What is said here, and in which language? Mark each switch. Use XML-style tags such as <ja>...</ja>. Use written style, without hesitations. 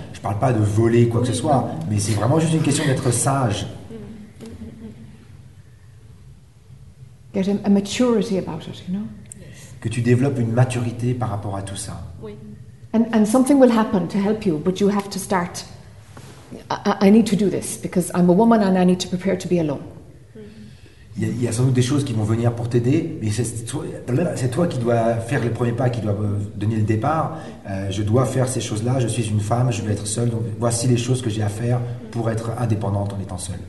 <fr>Je ne parle pas de voler quoi que ce soit, mais c'est vraiment juste une question d'être sage.</fr> <en>get a maturity about it, you know.</en> <fr>Que tu développes une maturité par rapport à tout ça. Oui.</fr> <en>And something will happen to help you, but you have to start. I need to do this because I'm a woman and I need to prepare to be alone.</en> <fr>Il y a sans doute des choses qui vont venir pour t'aider, mais c'est toi qui dois faire le premier pas, qui dois donner le départ. Je dois faire ces choses-là, je suis une femme, je vais être seule, donc voici les choses que j'ai à faire pour être indépendante en étant seule.</fr>